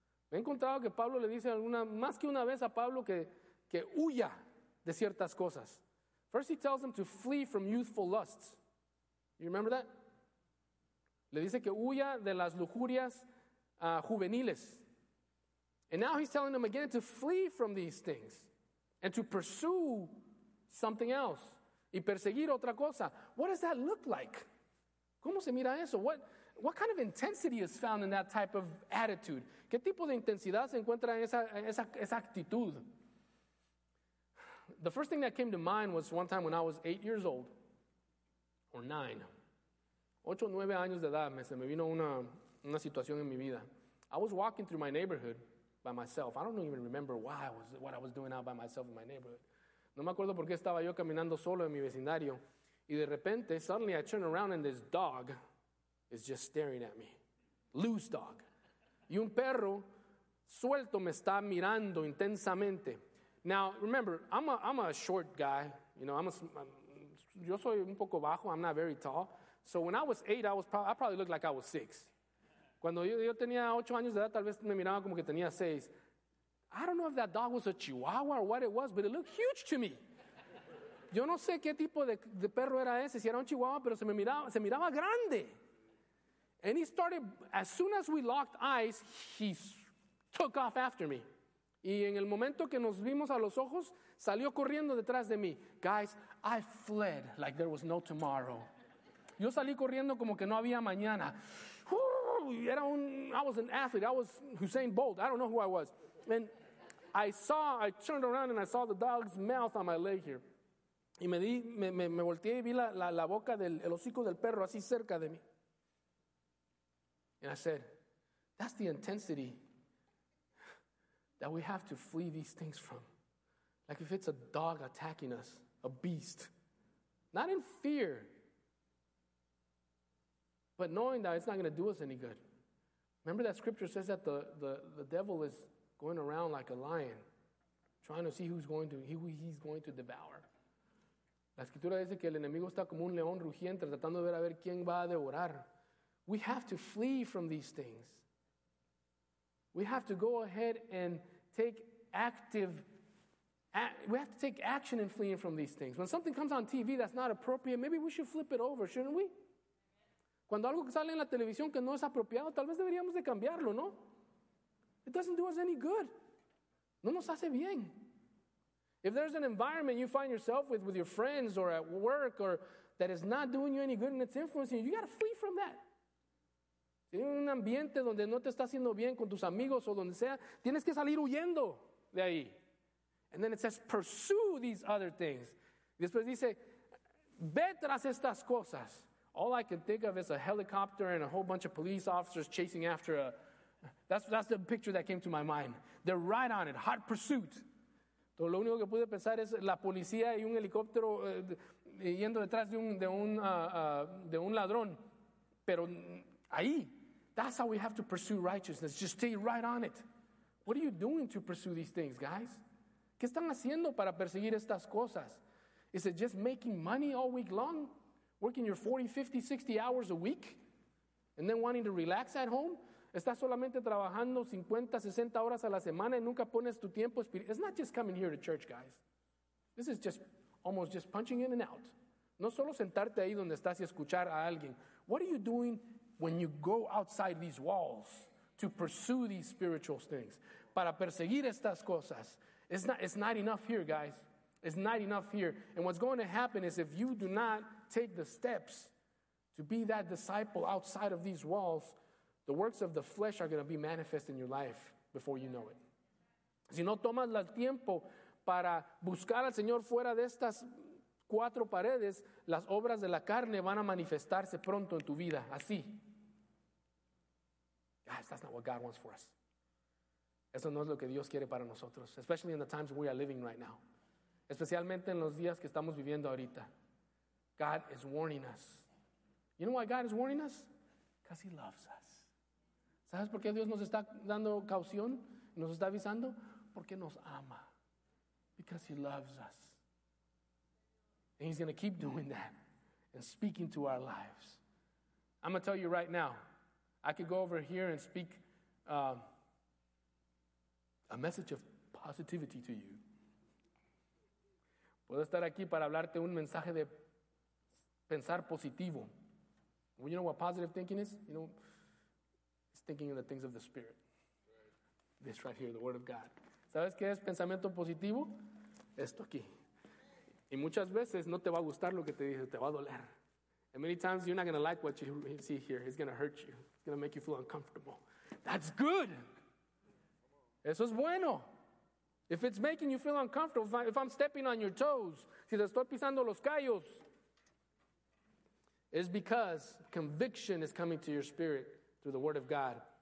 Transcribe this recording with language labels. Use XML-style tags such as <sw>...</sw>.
<es>Me he encontrado que Pablo le dice alguna, más que una vez a Pablo que huya de ciertas cosas.</es> <en>First he tells him to flee from youthful lusts. You remember that?</en> <es>Le dice que huya de las lujurias juveniles.</es> <en>And now he's telling him again to flee from these things and to pursue something else.</en> <es>Y perseguir otra cosa.</es> <en>What does that look like?</en> <es>¿Cómo se mira eso?</es> <en>What kind of intensity is found in that type of attitude?</en> <es>¿Qué tipo de intensidad se encuentra en esa actitud?</es> <en>The first thing that came to mind was one time when I was 8 years old, or nine.</en> <es>8 o 9 años de edad, se me vino una situación en mi vida.</es> <en>I was walking through my neighborhood by myself. I don't even remember what I was doing out by myself in my neighborhood.</en> <es>No me acuerdo por qué estaba yo caminando solo en mi vecindario. Y de repente,</es> <en>suddenly I turn around and this dog is just staring at me. Loose dog.</en> <es>Y un perro suelto me está mirando intensamente.</es> <en>Now, remember, I'm a short guy. You know,</en> <es>yo soy un poco bajo.</es> <en>I'm not very tall. So when I was 8, I probably looked like I was 6.</en> <es>Cuando yo tenía 8 años de edad, tal vez me miraba como que tenía 6.</es> <en>I don't know if that dog was a chihuahua or what it was, but it looked huge to me.</en> <es>Yo no sé qué tipo de perro era ese, si era un chihuahua, pero se miraba grande.</es> <en>And he started, as soon as we locked eyes, he took off after me.</en> <es>Y en el momento que nos vimos a los ojos, salió corriendo detrás de mí.</es> <en>Guys, I fled like there was no tomorrow.</en> <es>Yo salí corriendo como que no había mañana.</es> <en>I was an athlete. I was Usain Bolt. I don't know who I was. And I turned around and I saw the dog's mouth on my leg here.</en> <es>Y me volteé y vi la boca del el hocico del perro así cerca de mí.</es> <en>And I said, that's the intensity that we have to flee these things from. Like if it's a dog attacking us, a beast. Not in fear, but knowing that it's not going to do us any good. Remember that scripture says that the devil is going around like a lion, trying to see who he's going to devour.</en> <es>La escritura dice que el enemigo está como un león rugiente, tratando de ver a ver quién va a devorar.</es> <en>We have to flee from these things. We have to go ahead and take action in fleeing from these things. When something comes on TV that's not appropriate, maybe we should flip it over, shouldn't we?</en> <es>Cuando algo sale en la televisión que no es apropiado, tal vez deberíamos de cambiarlo, ¿no?</es> <en>It doesn't do us any good.</en> <es>No nos hace bien.</es> <en>If there's an environment you find yourself with your friends or at work or that is not doing you any good and it's influencing you, you got to flee from that.</en> <es>Si hay un ambiente donde no te está haciendo bien con tus amigos o donde sea, tienes que salir huyendo de ahí.</es> <en>And then it says, pursue these other things.</en> <es>Y después dice, ve tras estas cosas.</es> <en>All I can think of is a helicopter and a whole bunch of police officers chasing after a... That's the picture that came to my mind. They're right on it, hot pursuit.</en> <es>Entonces, lo único que pude pensar es la policía y un helicóptero yendo detrás de un ladrón. Pero ahí,</es> <en>that's how we have to pursue righteousness. Just stay right on it. What are you doing to pursue these things, guys?</en> <es>¿Qué están haciendo para perseguir estas cosas?</es> <en>Is it just making money all week long? Working your 40, 50, 60 hours a week? And then wanting to relax at home?</en> <es>¿Estás solamente trabajando 50, 60 horas a la semana y nunca pones tu tiempo espiritual?</es> <en>It's not just coming here to church, guys. This is just almost just punching in and out.</en> <es>No solo sentarte ahí donde estás y escuchar a alguien.</es> <en>What are you doing when you go outside these walls to pursue these spiritual things?</en> <es>Para perseguir estas cosas.</es> <en>It's not enough here, guys. It's not enough here. And what's going to happen is if you do not take the steps to be that disciple outside of these walls, the works of the flesh are going to be manifest in your life before you know it.</en> <es>Si no tomas el tiempo para buscar al Señor fuera de estas cuatro paredes, las obras de la carne van a manifestarse pronto en tu vida. Así.</es> <en>Guys, that's not what God wants for us.</en> <es>Eso no es lo que Dios quiere para nosotros.</es> <en>Especially in the times we are living right now.</en> <es>Especialmente en los días que estamos viviendo ahorita.</es> <en>God is warning us. You know why God is warning us? Because he loves us.</en> <es>¿Sabes por qué Dios nos está dando caución? Nos está avisando. Porque nos ama.</es> <en>Because he loves us. And he's going to keep doing that and speaking to our lives. I'm going to tell you right now, I could go over here and speak a message of positivity to you.</en> <es>Puedo estar aquí para hablarte un mensaje de pensar positivo.</es> <en>You know what positive thinking is? You know, it's thinking of the things of the Spirit. This right here, the Word of God.</en> <es>¿Sabes qué es pensamiento positivo? Esto aquí. Y muchas veces no te va a gustar lo que te dice, te va a doler.</es> <en>And many times you're not going to like what you see here. It's going to hurt you. It's going to make you feel uncomfortable. That's good.</en> <es>Eso es bueno.</es> <en>If it's making you feel uncomfortable, if I'm stepping on your toes,</en> <es>si te estoy pisando los callos,</es> <en>it's because conviction is coming to your spirit through the Word of God.</en>